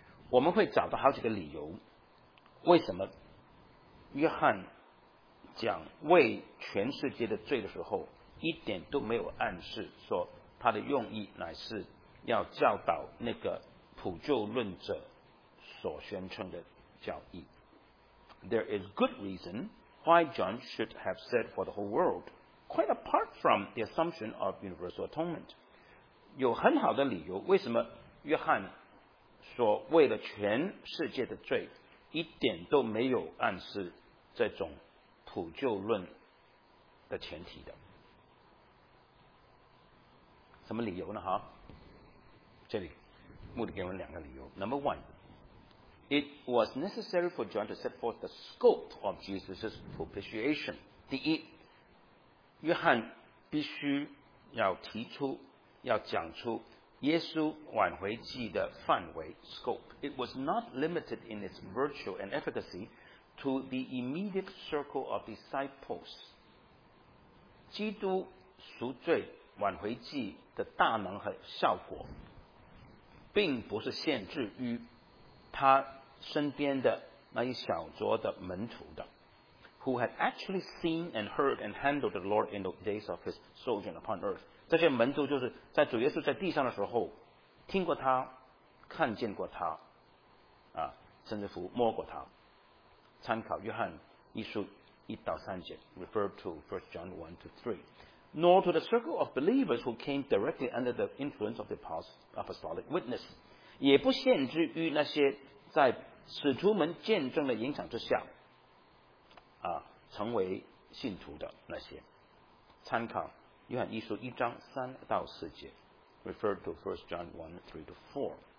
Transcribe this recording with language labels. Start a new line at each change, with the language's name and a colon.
Chinese: 我们会找到好几个理由，为什么约翰讲为全世界的罪的时候一点都没有暗示说他的用意乃是要教导那个普救论者所宣称的教义。
English: There is good reason why John should have said for the whole world. quite apart from the assumption of universal atonement.
Chinese: 有很好的理由为什么约翰所为了全世界的罪一点都没有暗示这种普救论的前提的。什么理由呢？这里目的给我们两个理由。
English: Number one, it was necessary for John to set forth the scope of Jesus' propitiation.
Chinese: 第一，约翰必须要提出要讲出耶稣挽回祭的范围 scope.
English: It was not limited in its virtue and efficacy to the immediate circle of disciples.
Chinese: 基督赎罪挽回祭的大能和效果并不是限制于他身边的那一小撮的门徒的
English: who had actually seen and heard and handled the Lord in the days of his sojourn upon earth.
Chinese: 这些门徒就是在主耶稣在地上的时候听过他看见过他、啊、甚至乎摸过他。参考约翰一书一到三节
English: refer to 1 John 1 to 3。 Nor to the circle of believers who came directly under the influence of the apostolic witness.
Chinese: 也不限制于那些在使徒们见证的影响之下、啊、成为信徒的那些。参考约翰一书一章三到四节
English: refer to 1 John 1, 3-4.